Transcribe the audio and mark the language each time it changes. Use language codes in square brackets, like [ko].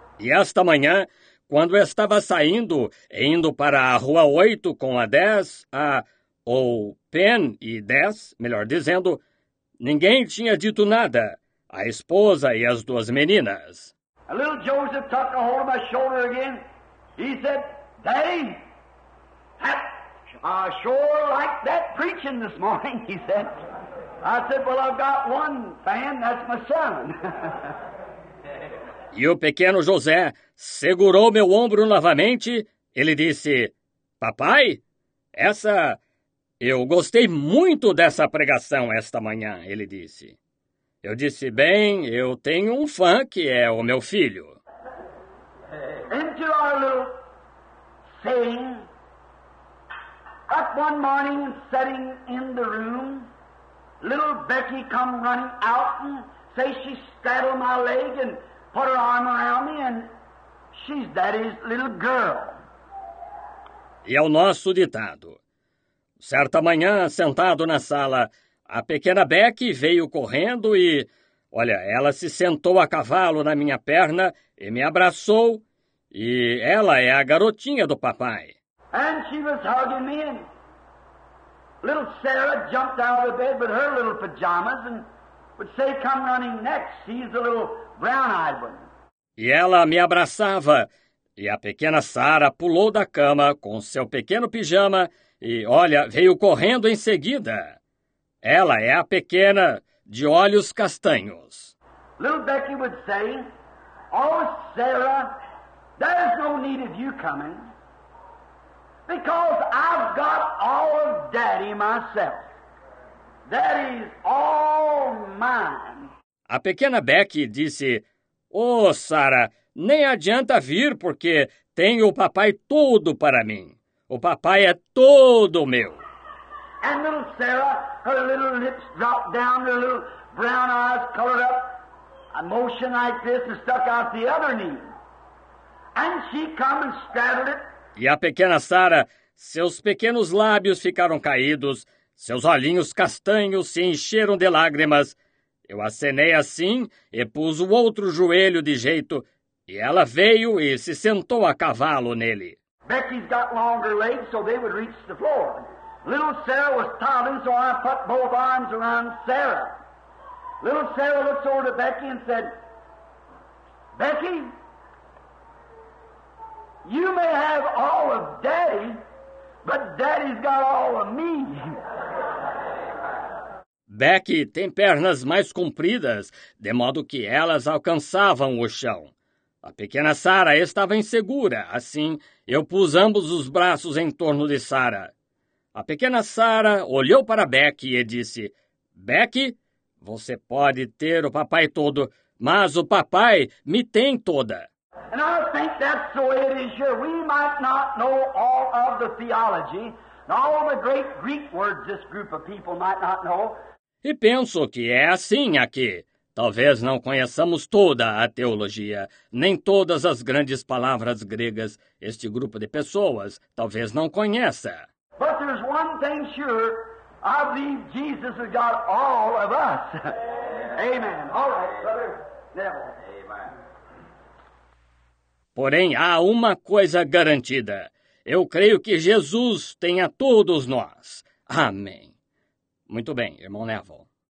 [pt] E esta manhã, quando eu estava saindo e indo para a rua 8 com a 10, a... ou Penn e Dez, melhor dizendo, ninguém tinha dito nada, a esposa e as duas meninas. [en] A little Joseph took a hold of my shoulder again. He said, "Daddy, that, I sure like that preaching this morning," he said. I said, "Well, I've got one fan, that's my son." [pt] E o pequeno José segurou meu ombro novamente. Ele disse, "Papai, essa... eu gostei muito dessa pregação esta manhã," ele disse. Eu disse, "Bem, eu tenho um fã que é o meu filho." [en] Into our little saying, up one morning, sitting in the room, little Becky come running out and say she straddled my leg and put her arm around me and she's daddy's little girl. [pt] E é o nosso ditado. Certa manhã, sentado na sala, a pequena Beck veio correndo e, olha, ela se sentou a cavalo na minha perna e me abraçou. E ela é a garotinha do papai. [en] And she was hugging me and little Sarah jumped out of bed with her little pajamas and would say, "Come running next, she's the little brown-eyed one." [pt] E ela me abraçava e a pequena Sarah pulou da cama com seu pequeno pijama. E, olha, veio correndo em seguida. Ela é a pequena de olhos castanhos. [en] Little Becky would say, "Oh, Sarah, there's no need of you coming, because I've got all of Daddy myself. Daddy's all mine." [pt] A pequena Becky disse, "Oh, Sarah, nem adianta vir, porque tenho o papai todo para mim. O papai é todo meu." [en] And little Sarah, her little lips dropped down, her little brown eyes colored up, a motion like this and stuck out the other knee. And she come and straddled it. [pt] E a pequena Sarah, seus pequenos lábios ficaram caídos, seus olhinhos castanhos se encheram de lágrimas. Eu acenei assim e pus o outro joelho de jeito, e ela veio e se sentou a cavalo nele. [en] Becky's got longer legs, so they would reach the floor. Little Sarah was toddling, so I put both arms around Sarah. Little Sarah looks over to Becky and said, "Becky, you may have all of Daddy, but Daddy's got all of me." [pt] Becky tem pernas mais compridas, de modo que elas alcançavam o chão. A pequena Sarah estava insegura, assim eu pus ambos os braços em torno de Sarah. A pequena Sarah olhou para Becky e disse, "Becky, você pode ter o papai todo, mas o papai me tem toda." [en] And I think that's the way it is here. We might not know all of the theology, all of the great Greek words this group of people might not know. [pt] E penso que é assim aqui. Talvez não conheçamos toda a teologia, nem todas as grandes palavras gregas. Este grupo de pessoas talvez não conheça. [en] But there's one thing sure. I believe Jesus has got all of us. Amen. All right, brother. Now. Amen. [pt] Porém, há uma coisa garantida. Eu creio que Jesus tem a todos nós. Amém. Muito bem, irmão Neville.